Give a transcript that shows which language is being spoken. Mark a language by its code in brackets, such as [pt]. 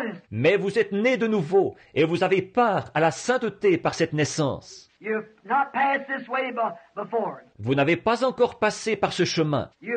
[fr] Mais vous êtes né de nouveau, et vous avez part à la sainteté par cette naissance. [en] You've not passed this way before. [fr] Vous n'avez pas encore passé par ce chemin.